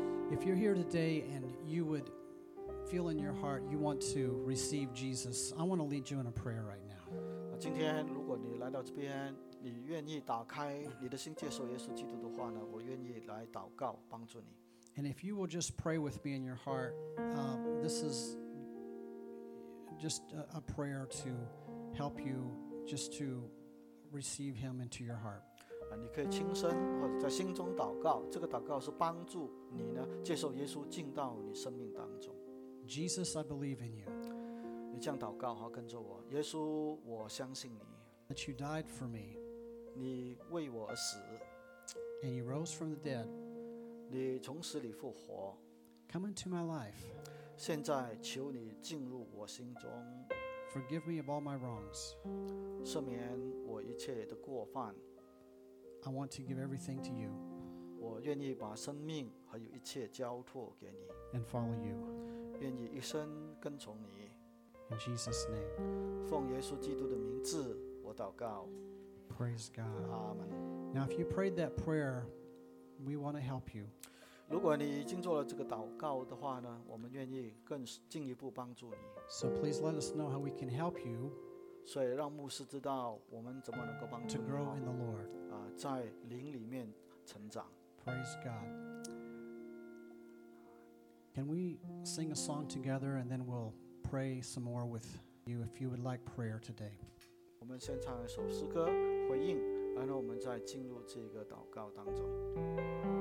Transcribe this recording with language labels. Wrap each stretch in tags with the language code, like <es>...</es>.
<en>If you're here today and you would feel in your heart you want to receive Jesus, I want to lead you in a prayer right now.</en> <zh>今天如果你来到这边，你愿意打开你的心接受耶稣基督的话呢，我愿意来祷告帮助你。</zh> <en>And if you will just pray with me in your heart, this is just a prayer to help you just to receive Him into your heart.</en> <zh>你可以轻声或者在心中祷告，这个祷告是帮助你呢接受耶稣进到你生命当中。</zh> <en>Jesus, I believe in you.</en> <zh>你这样祷告好跟着我耶稣我相信你</zh> <en>that you died for me</en> <zh>你为我而死</zh> <en>and you rose from the dead</en> <zh>你从死里复活</zh> <en>come into my life</en> <zh>现在求你进入我心中</zh> <en>forgive me of all my wrongs</en> <zh>赦免我一切的过犯</zh> <en>I want to give everything to you</en> <zh>我愿意把生命还有一切交托给你</zh> <en>and follow you</en> <zh>愿意一生跟从你</zh> <en>In Jesus' name.</en> <zh>奉耶稣基督的名字，我祷告。</zh> <en>Praise God. Amen. Now, if you prayed that prayer, we want to help you.</en> <zh>如果你已经做了这个祷告的话呢，我们愿意更进一步帮助你。</zh> <en>So please let us know how we can help you.</en> <zh>所以让牧师知道我们怎么能够帮助你。</zh> <en>To grow in the Lord.</en> <zh>啊，在灵里面成长。</zh> <en>Praise God. Can we sing a song together and then we'll. Pray some more with you if you would like prayer today.</en> <zh>我们先唱一首诗歌回应，然后我们再进入这个祷告当中。</zh>